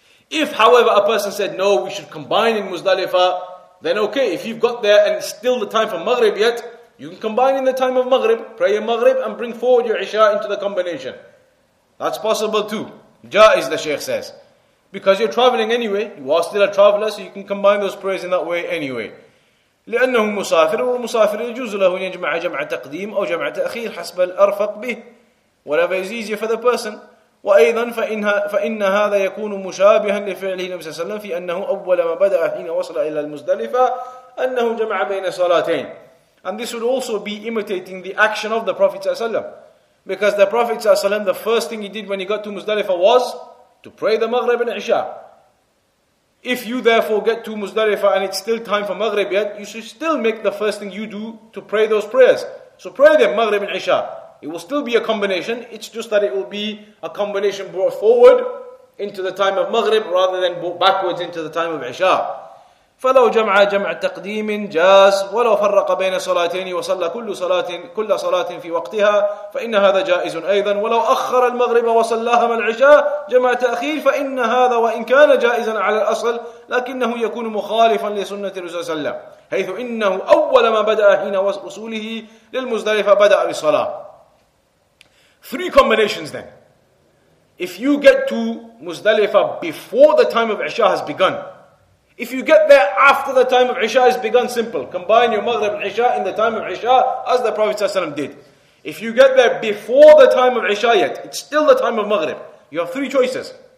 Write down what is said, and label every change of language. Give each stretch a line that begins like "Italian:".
English: If, however, a person said, no, we should combine in Muzdalifah, then okay, if you've got there and it's still the time for Maghrib yet, you can combine in the time of Maghrib, pray your Maghrib and bring forward your Isha into the combination. That's possible too. Jaiz, the Shaykh says. Because you're traveling anyway, you are still a traveler, so you can combine those prayers in that way anyway.
Arabic: لأنه مسافر والمسافر يجوز له أن يجمع جمع تقديم أو جمع تأخير حسب الأرفق به.
English: Whatever is easier for the person.
Arabic: وأيضا فإن هذا يكون مشابها لفعله النبي صلى الله عليه وسلم في أنه أول ما بدأ حين وصل إلى المزدلفة أنه جمع بين صلاتين.
English: And this would also be imitating the action of the Prophet ﷺ. Because the Prophet ﷺ, the first thing he did when he got to Muzdalifah was to pray the Maghrib and Isha. If you therefore get to Muzdalifah and it's still time for Maghrib yet, you should still make the first thing you do to pray those prayers. So pray them, Maghrib and Isha. It will still be a combination. It's just that it will be a combination brought forward into the time of Maghrib rather than brought backwards into the time of Isha.
Arabic: فلو جمع جمع تقديم جاز ولو فرق بين صلاتين وصلى كل صلاة في وقتها فإن هذا جائز أيضا ولو أخر المغرب وصلاها مع العشاء جمع تأخير فإن هذا وإن كان جائزا على الأصل لكنه يكون مخالفا لسنة الرسول صلى الله عليه وسلم حيث إنه أول ما بدأ حين وصوله للمزدلفة بدأ بالصلاة.
English: Three combinations then. If you get to Muzdalifa before the time of Isha has begun, if you get there after the time of Isha has begun, simple. Combine your Maghrib and Isha in the time of Isha as the Prophet ﷺ did. If you get there before the time of Isha yet, it's still the time of Maghrib. You have three choices.